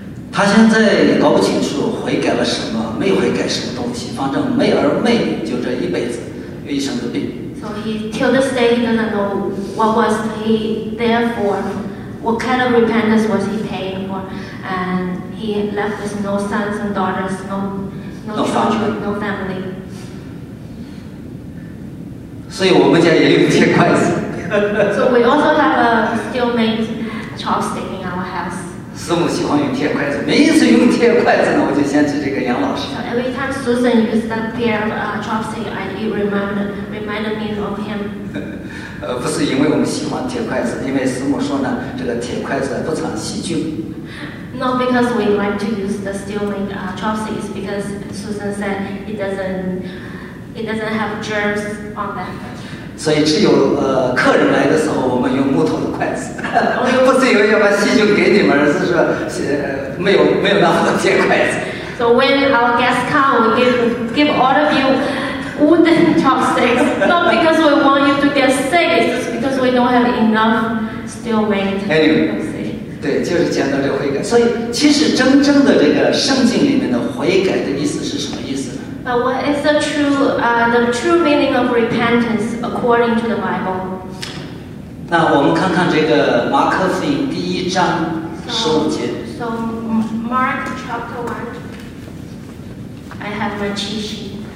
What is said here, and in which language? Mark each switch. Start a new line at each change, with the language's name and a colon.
Chinese: 他现在也搞不清楚悔改了什么，没有悔改什么东西，反正妹儿妹就这一辈子，一生的病。
English: So he till this day he doesn't know what was he there for, what kind of repentance was he paying for, and he left with no sons and daughters, no children, no family.
Chinese: 所以我们家也有一些筷子。
English: So we also have a steel-made chopstick in our house.
Chinese: 师母喜欢用铁筷子，每一次用铁筷子呢，我就想起这个杨老师。
English: Every time Susan used that pair of chopstick, it reminded me of him.
Chinese: 不是因为我们喜欢铁筷子，因为师母说呢，这个铁筷子不常细菌。
English: Not because we like to use the steel-made chopstick, it's because Susan said it doesn't have germs on them.
Chinese: 所以只有客人来的时候我们用木头的筷子不是因为要把细菌给你们而是说没有那么多铁筷子
English: So when our guests come we give all of you wooden chopsticks not because we want you to get sick it's because we don't have enough steel made
Chinese: anyway 对就是讲到这个悔改所以其实真正的这个圣经里面的悔改的意思是什么意思
English: But what is the true meaning of repentance according to the Bible?
Chinese: 那我们看看这个马可福音第一章十五节。
English: So Mark chapter 1, I have my cheat sheet.